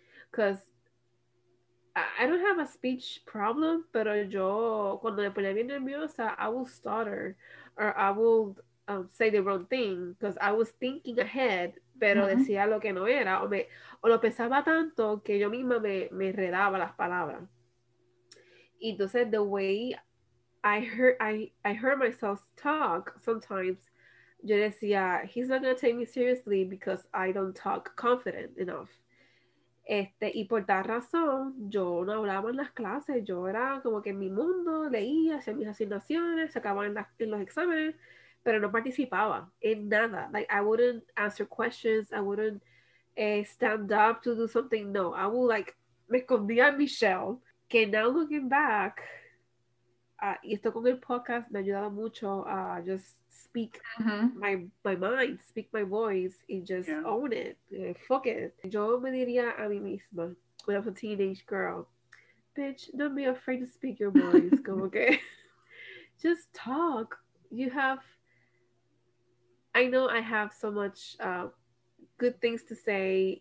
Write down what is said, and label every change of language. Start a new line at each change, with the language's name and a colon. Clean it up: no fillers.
English: Because I don't have a speech problem,
Spanish: pero yo, cuando me ponía bien nerviosa,
English: I will stutter or I will say the wrong thing because I was thinking ahead pero uh-huh.
Spanish: decía lo que no era, o lo pensaba tanto que yo misma me enredaba las palabras. Y entonces,
English: the way I heard myself talk sometimes,
Spanish: yo decía,
English: he's not going to take me seriously because I don't talk confident enough.
Spanish: Y por tal razón, yo no hablaba en las clases, yo era como que en mi mundo, leía, hacía mis asignaciones, sacaba en los exámenes, pero no participaba en nada.
English: Like, I wouldn't answer questions, I wouldn't stand up to do something, no. I would, like,
Spanish: me escondía en mi shell. Que
English: now looking back,
Spanish: y esto con el podcast me ha ayudado mucho a
English: just speak
Spanish: uh-huh.
English: my mind, speak my voice, and just yeah. own it. Fuck it.
Spanish: Yo me diría a mí misma,
English: when I was a teenage girl, bitch, don't be afraid to speak your voice. Go, okay? Just talk. I have so much good things to say.